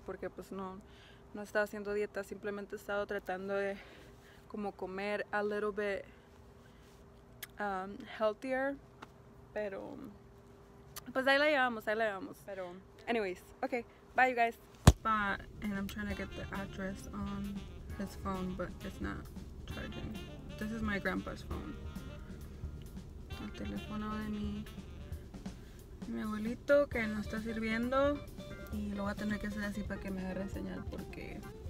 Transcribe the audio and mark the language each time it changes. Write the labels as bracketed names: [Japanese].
[Spanish] Porque pues no he estado haciendo dieta. Simplemente he estado tratando de como comer [English] a little bit healthier. [Spanish] Pero... pues ahí la llevamos, ahí la llevamos. Pero, [English] anyways, okay, bye you guys. Bye, and I'm trying to get the address on his phone, but it's not charging. This is my grandpa's phone. [Spanish] El teléfono de mi abuelito que no está sirviendo. Y lo voy a tener que hacer así para que me agarre señal porque...